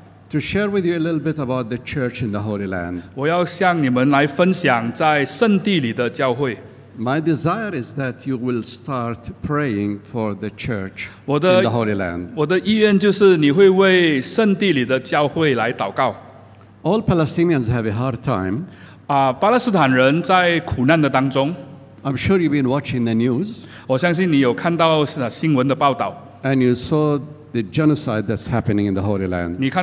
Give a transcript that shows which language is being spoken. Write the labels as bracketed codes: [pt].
[en] To share with you a little bit about the church in the Holy Land. [zh] 我要向你们来分享在圣地里的教会。 [en] My desire is that you will start praying for the church in the Holy Land. [zh] 我的意愿就是你会为圣地里的教会来祷告。 [en] All Palestinians have a hard time. [zh] 巴勒斯坦人在苦难的当中。 [en] I'm sure you've been watching the news. [zh] 我相信你有看到新闻的报道。 [en] And you saw the genocide that's happening in the Holy Land.